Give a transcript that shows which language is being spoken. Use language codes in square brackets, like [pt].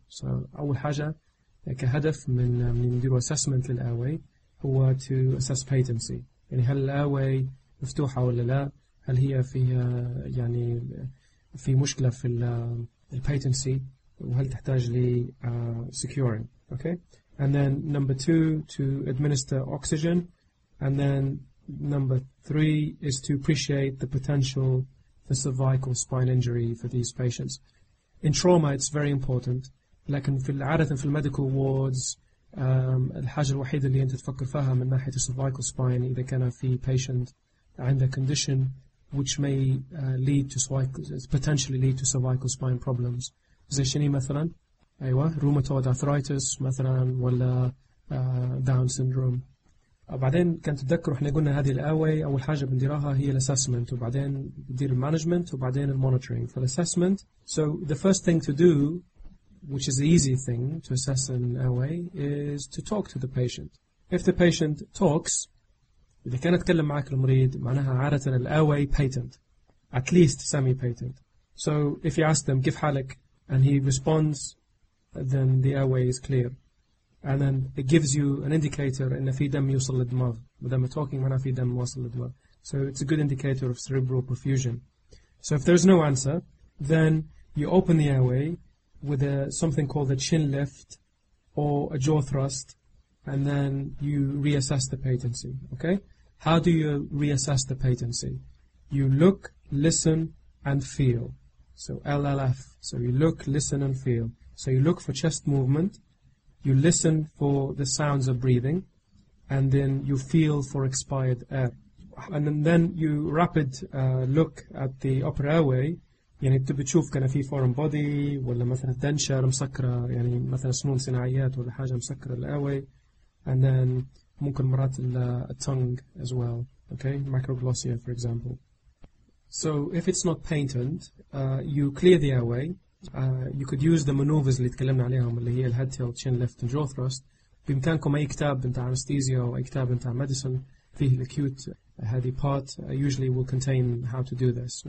[ar] So أول حاجة كهدف من ندير assessment للأوي هو [en] to assess patency، [ar] يعني هل الأوي مفتوحة ولا لا، هل هي فيها يعني في مشكلة في الpatency وهل تحتاج لي securing. [en] Okay, and then number two to administer oxygen, and then number three is to appreciate the potential for cervical spine injury for these patients. In trauma it's very important، [ar] لكن في العادة في [en] medical wards [ar] الحاجة الوحيدة اللي أنت تفكر فيها من ناحية [en] cervical spine [ar] إذا كان في [en] patient عنده condition which may lead to potentially lead to cervical spine problems. [ar] زي شنو مثلاً؟ أيوة، rheumatoid arthritis مثلاً، ولا Down syndrome. بعدين كنت تذكر إحنا قلنا هذه الأوي أول حاجة بنديرها هي assessment، وبعدين ندير management، وبعدين monitoring. [en] For assessment, so the first thing to do, which is the easy thing to assess in OA, is to talk to the patient. If the patient talks, [ar] إذا كان أتكلم معك المريض معناها عادة [en] OA patent, at least semi-patent. So if you ask them, [ar] كيف حالك, [en] and he responds, then the OA is clear. And then it gives you an indicator [ar] إن في دم يوصل للدماغ. [en] With them talking, [ar] معناها في دم يوصل للدماغ. [en] So it's a good indicator of cerebral perfusion. So if there's no answer, then you open the OA with something called a chin lift or a jaw thrust, and then you reassess the patency. Okay, how do you reassess the patency? You look, listen, and feel. So LLF. So you look, listen, and feel. So you look for chest movement, you listen for the sounds of breathing, and then you feel for expired air. And then you rapid look at the upper airway. [ar] يعني تبي تشوف كان في foreign body ولا مثلا denture مسكرة، يعني مثلا سنون صناعيات ولا حاجة مسكرة الأوي، and then ممكن مرات [en] the tongue as well. Okay, microglossia for example. So if it's not patent, you clear the airway. You could use the maneuvers [ar] اللي تكلمنا عليهم اللي هي [en] head tilt, chin lift and jaw thrust. [ar] بإمكانكم أي كتاب بتاع anesthesia أو أي كتاب بتاع medicine فيه acute هذه [en] part usually will contain how to do this.